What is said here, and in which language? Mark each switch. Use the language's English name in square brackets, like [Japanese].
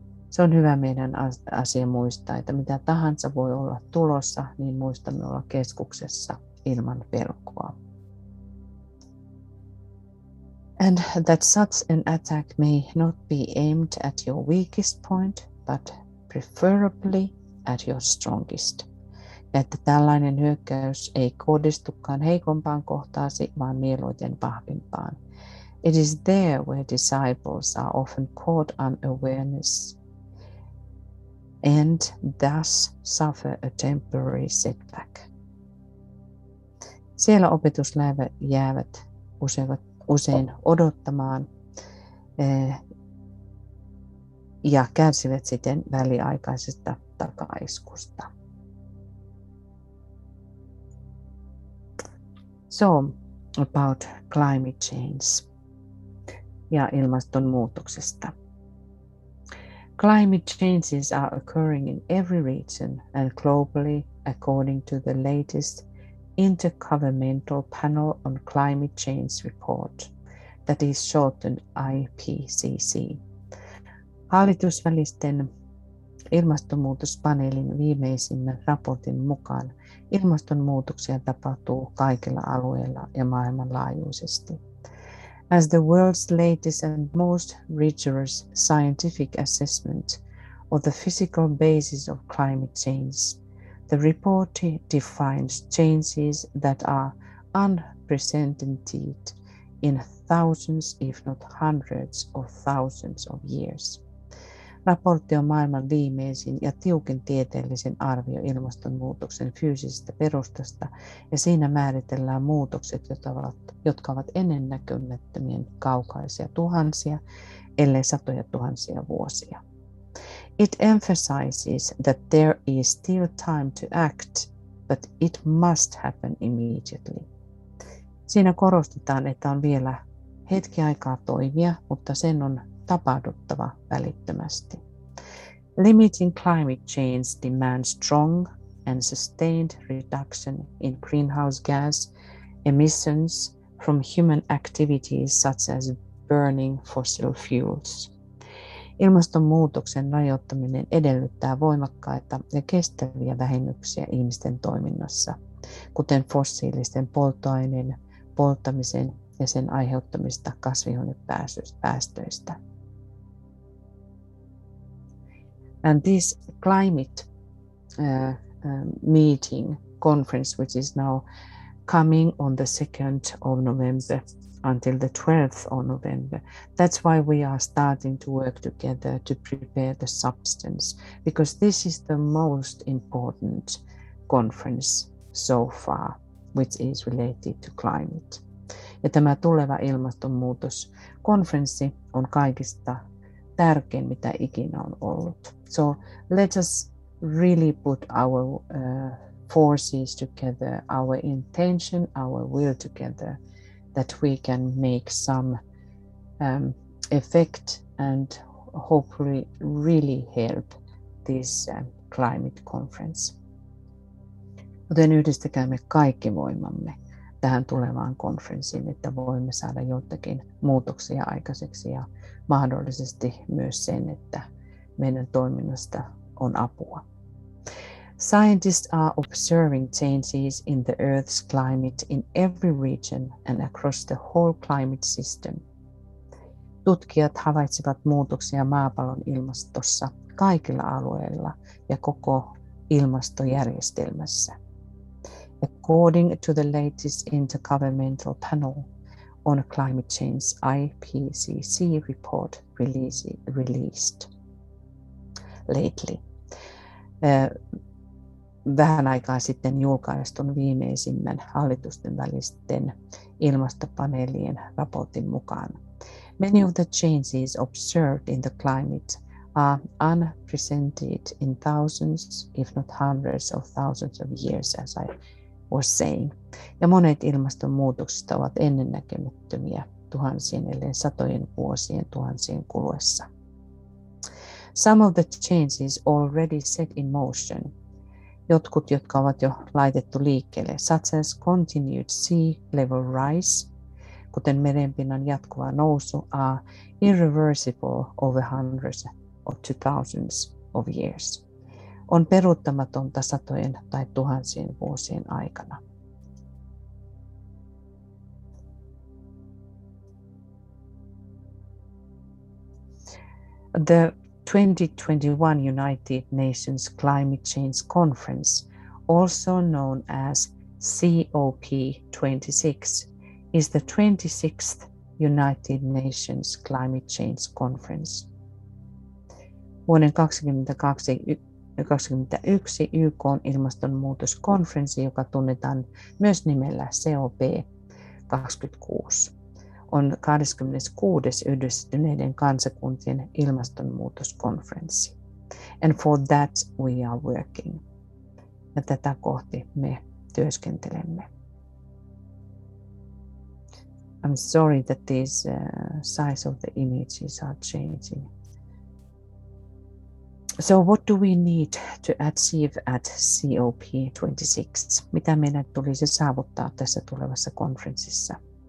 [Finnish] Se on hyvä meidän asia muistaa, että mitä tahansa voi olla tulossa, niin muistamme olla keskuksessa ilman pelkoa. [English] And that such an attack may not be aimed at your weakest point, but preferably at your strongest. [Finnish] Ja että tällainen hyökkäys ei kohdistukaan heikompaan kohtaasi, vaan mieluiten vahvimpaan. [English] It is there where disciples are often caught unawareness and thus suffer a temporary setback. [Finnish] Siellä opetusläivät jäävät usein odottamaan ja kärsivät sitten väliaikaisesta takaiskusta. [English] So, about climate change [Finnish] ja ilmastonmuutoksesta. [English] Climate changes are occurring in every region and globally according to the latest Intergovernmental Panel on Climate Change report, that is shortened IPCC. [Finnish] Hallitusvälisten ilmastonmuutospaneelin viimeisimmän raportin mukaan ilmastonmuutoksia tapahtuu kaikilla alueilla ja maailmanlaajuisesti. [English] As the world's latest and most rigorous scientific assessment of the physical basis of climate change, the report defines changes that are unprecedented in thousands, if not hundreds of thousands of years. [Finnish] Raportti on maailman viimeisin ja tiukin tieteellisin arvio ilmastonmuutoksen fyysisestä perustasta, ja siinä määritellään muutokset, jotka ovat ennennäkymättömien kaukaisia tuhansia, ellei satoja tuhansia vuosia. [English] It emphasizes that there is still time to act, but it must happen immediately. [Finnish] Siinä korostetaan, että on vielä hetki aikaa toimia, mutta sen on tapahduttava välittömästi. [English] Limiting climate change demands strong and sustained reduction in greenhouse gas emissions from human activities such as burning fossil fuels. [Finnish] Ilmastonmuutoksen rajoittaminen edellyttää voimakkaita ja kestäviä vähennyksiä ihmisten toiminnassa, kuten fossiilisten polttoaineen polttamisen ja sen aiheuttamista kasvihuonepäästöistä. [English] And this climate meeting conference, which is now coming on the 2nd of November, until the 12th of November. That's why we are starting to work together to prepare the substance, because this is the most important conference so far, which is related to climate. [Finnish] Ja tämä tuleva ilmastonmuutoskonferenssi on kaikista tärkein, mitä ikinä on ollut. [English] So let us really put our forces together, our intention, our will together, that we can make some effect and hopefully really help this climate conference. [Finnish] Joten yhdistäkäämme kaikki voimamme tähän tulevaan konferenssiin, että voimme saada jotakin muutoksia aikaiseksi ja mahdollisesti myös sen, että meidän toiminnasta on apua. [English] Scientists are observing changes in the Earth's climate in every region and across the whole climate system. [Finnish] Tutkijat havaitsevat muutoksia maapallon ilmastossa kaikilla alueilla ja koko ilmastojärjestelmässä. [English] According to the latest Intergovernmental Panel on Climate Change IPCC report released lately. [Finnish] Vähän aikaa sitten julkaistun viimeisimmän hallitusten välisten ilmastopaneelien raportin mukaan. [English] Many of the changes observed in the climate are unprecedented in thousands, if not hundreds of thousands of years, as I was saying. [Finnish] Ja monet ilmastonmuutokset ovat ennennäkemättömiä tuhansien, ellei satojen vuosien tuhansien kuluessa. [English] Some of the changes already set in motion. [Finnish] Jotkut, jotka ovat jo laitettu liikkeelle, [English] such as continued sea level rise, [Finnish] kuten merenpinnan jatkuva nousu, [English] are irreversible over hundreds or to thousands of years. [Finnish] On peruuttamatonta satojen tai tuhansien vuosien aikana. [English] The 2021 United Nations Climate Change Conference, also known as COP26, is the 26th United Nations Climate Change Conference. [Finnish] Vuoden 2021 YK:n ilmastonmuutoskonferenssi, joka tunnetaan myös nimellä COP26. On 26. Yhdistyneiden kansakuntien ilmastonmuutoskonferenssi. [English] And for that we are working. [Finnish] Ja tätä kohti me työskentelemme. [English] I'm sorry that these size of the images are changing. So what do we need to achieve at COP26? [Finnish] Mitä meidän tulisi saavuttaa tässä tulevassa konferenssissa?